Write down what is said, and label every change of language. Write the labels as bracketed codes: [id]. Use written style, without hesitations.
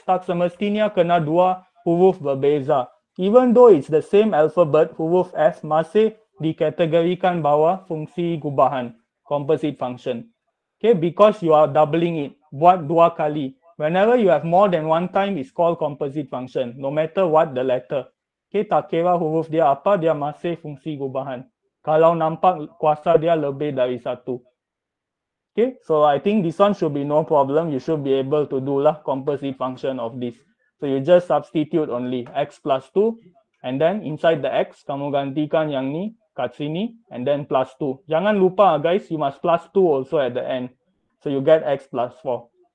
[ms] Tak semestinya kena dua huruf berbeza. [en] Even though it's the same alphabet, [ms] huruf F masih dikategorikan bawah fungsi gubahan, composite function. [en] Okay, because you are doubling it, [ms] buat dua kali. [en] Whenever you have more than one time, it's called composite function, no matter what the letter. [ms] Okay, tak kira huruf dia apa, dia masih fungsi gubahan. Kalau nampak kuasa dia lebih dari satu. [en] Okay, so I think this one should be no problem. You should be able to do lah composite function of this. So you just substitute only x plus 2. And then inside the x, [ms] kamu gantikan yang ni kat sini. [en] And then plus 2. [ms] Jangan lupa [en] guys, you must plus 2 also at the end. So you get x plus 4.